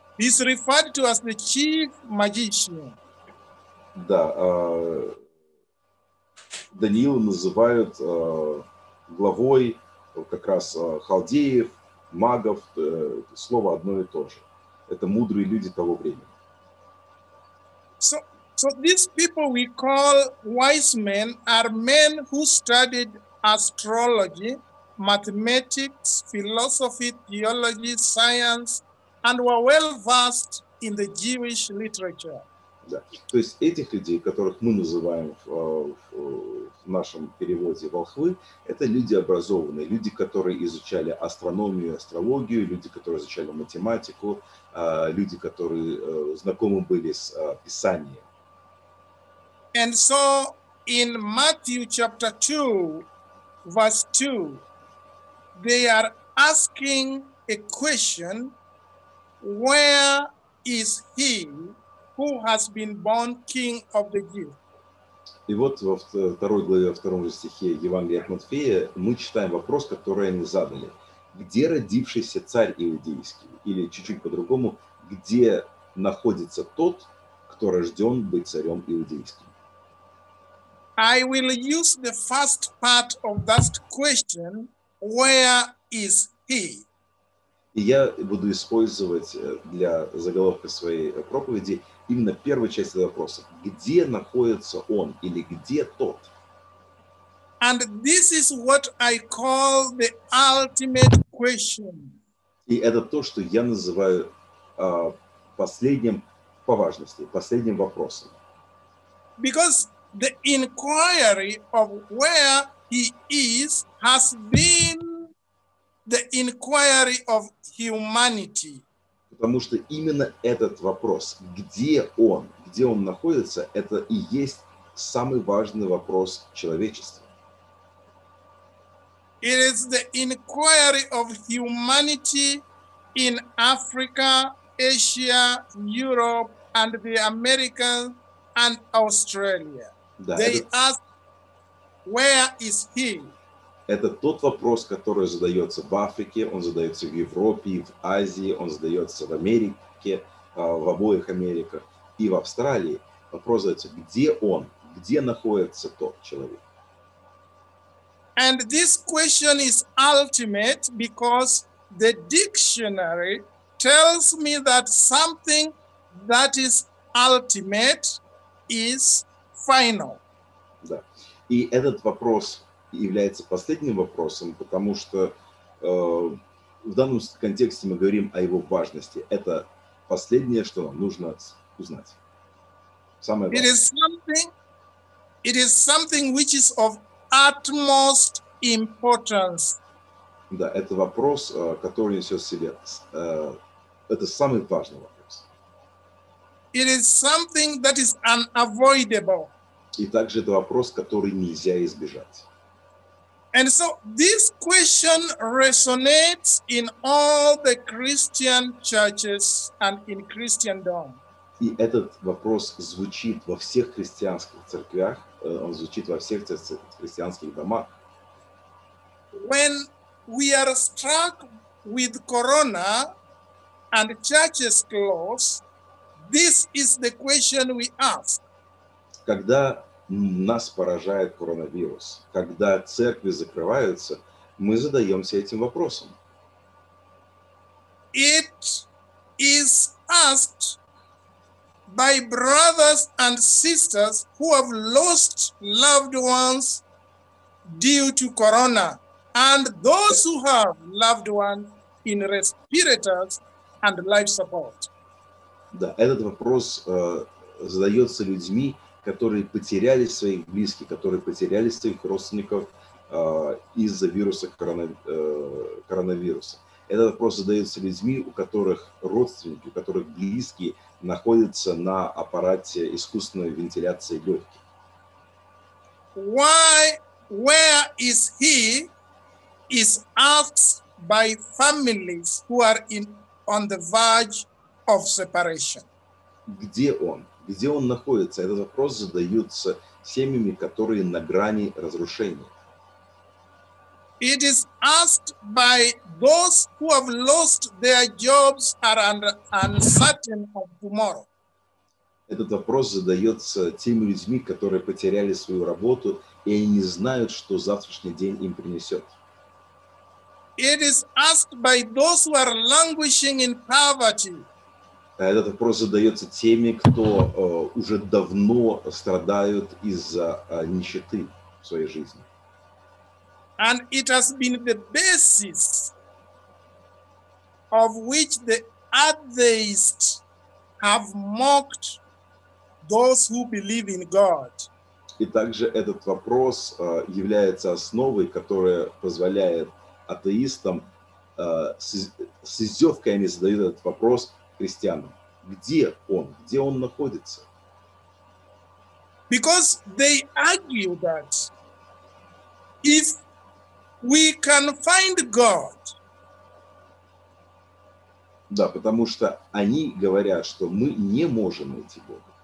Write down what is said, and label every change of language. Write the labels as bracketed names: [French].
[English] He's referred to as the chief magician. [Russian] Да, Даниила называют главой как раз халдеев, магов, слово одно и то же. Это мудрые люди того времени. [English] So these people we call wise men are men who studied astrology, mathematics, philosophy, theology, science, and were well versed in the Jewish literature. [Russian] Да. То есть этих людей, которых мы называем в нашем переводе волхвы, это люди образованные, люди, которые изучали астрономию, астрологию, люди, которые изучали математику, люди, которые знакомы были с Писанием. [English] And so in Matthew chapter 2, verse 2, they are asking a question, where is he who has been born king of the Jews? [Russian] И вот во второй главе, во втором же стихе Евангелия от Матфея мы читаем вопрос, который они задали. Где родившийся царь иудейский? Или чуть-чуть по-другому, где находится тот, кто рожден быть царем иудейским? [English] I will use the first part of that question, where is he? [Russian] Я буду использовать для заголовка своей проповеди именно первую часть вопроса. Где находится он или где тот? [English] And this is what I call the ultimate question. [Russian] И это то, что я называю последним по важности, последним вопросом. [English] Because the inquiry of where he is has been the inquiry of humanity. [Russian] Потому что именно этот вопрос, где он находится, это и есть самый важный вопрос человечества. [English] It is the inquiry of humanity in Africa, Asia, Europe, and the Americas and Australia. [Russian] Да, [English] they ask, where is he? [Russian] Это тот вопрос, который задается в Африке, он задается в Европе, в Азии, он задается в Америке, в обоих Америках и в Австралии. Вопрос задается, где он, где находится тот человек? [English] And this question is ultimate because the dictionary tells me that something that is ultimate is final. [Russian] Да. И этот вопрос является последним вопросом, потому что в данном контексте мы говорим о его важности. Это последнее, что нам нужно узнать. Самое важное. [English] It is something which is of utmost importance. [Russian] Да, это вопрос, который несет в себе. Это самый важный вопрос. [English] It is something that is unavoidable. [Russian] И также это вопрос, который нельзя избежать. [English] And so this question resonates in all the Christian churches and in Christendom. [Russian] И этот вопрос звучит во всех христианских церквях, он звучит во всех христианских домах. [English] When we are struck with corona and churches close, this is the question we ask. [Russian] Когда нас поражает коронавирус, когда церкви закрываются, мы задаемся этим вопросом. [English] It is asked by brothers and sisters who have lost loved ones due to corona. And those who have loved ones in respirators and life support. [Russian] Да, этот вопрос задается людьми, которые потеряли своих близких, которые потеряли своих родственников из-за вируса коронавируса. Этот вопрос задается людьми, у которых родственники, у которых близкие находятся на аппарате искусственной вентиляции легких. [English] Why, where is he? Is asked by families who are on the verge of separation. [Russian] Где он? Где он находится? Этот вопрос задаются семьями, которые на грани разрушения. [English] It is asked by those who have lost their jobs are uncertain of tomorrow. [Russian] Этот вопрос задается теми людьми, которые потеряли свою работу и они не знают, что завтрашний день им принесет. [English] It is asked by those who are languishing in poverty. [Russian] Этот вопрос задается теми, кто уже давно страдают из-за нищеты в своей жизни. [English] And it has been the basis of which the atheists have mocked those who believe in God. [Russian] И также этот вопрос является основой, которая позволяет атеистам с издевкой они задают этот вопрос христианам. Где он находится? [English] Because they argue that if we can find God. [Russian] Да, потому что они говорят, что мы не можем найти Бога.